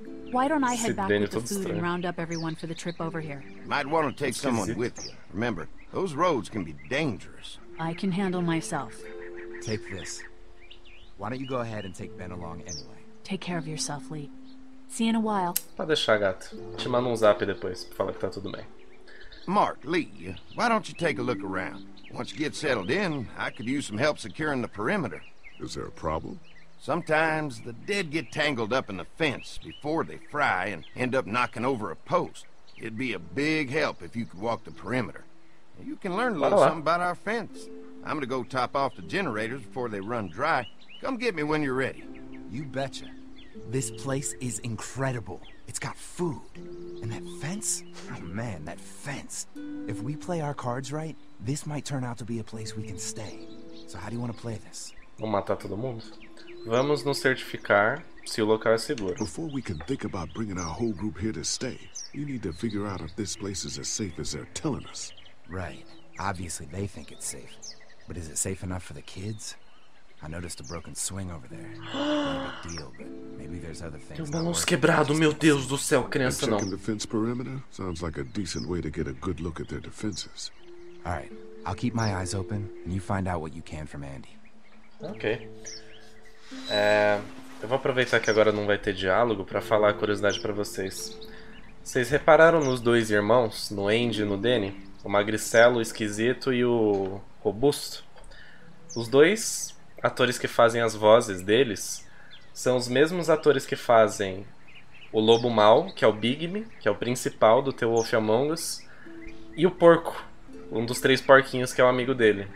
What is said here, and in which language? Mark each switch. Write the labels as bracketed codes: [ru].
[en] Why don't I head back with the food and round up everyone for the trip over here? Might want to take someone with you. Remember, those roads can be dangerous. I can handle myself. Take this. Why don't you go ahead and take Ben along anyway? Take care of yourself, Lee. See you in a while. [pt] Pode deixar, gato. Te mando um zap depois pra falar que tá tudo bem. [en] Mark, Lee, why don't you take a look around? Once you get settled in, I could use some help securing the perimeter. Is there a problem? Sometimes the dead get tangled up in the fence before they fry and end up knocking over a post. It'd be a big help if you could walk the perimeter. You can learn a little something about our fence. I'm gonna go top off the generators before they run dry. Come get me when you're ready. You betcha. This place is incredible. It's got food. And that fence? Oh man, that fence. If we play our cards right, this might turn out to be a place we can stay. So how do you want to play this? [pt] Vamos matar todo mundo? Vamos nos certificar se o local é seguro. [en] Before we can think about bringing our whole group here to stay, we need to figure out if this place is as safe as they're telling us. Right. Obviously they think it's safe. But is it safe enough for the kids? I noticed a broken swing over there. Not a big deal, but maybe there's other things. [pt] Tem um balanço quebrado, meu Deus do céu, criança não. [en] Checking the fence perimeter sounds like a decent way to get a good look at their defenses. All right, I'll keep my eyes open and you find out what you can from Andy. Okay. [pt] Eu vou aproveitar que agora não vai ter diálogo para falar a curiosidade para vocês. Vocês repararam nos dois irmãos, no Andy e no Danny? O magricelo, o esquisito e o robusto. Os dois atores que fazem as vozes deles são os mesmos atores que fazem o Lobo Mau, que é o Bigme, que é o principal do The Wolf Among Us, e o Porco, um dos três porquinhos que é o amigo dele.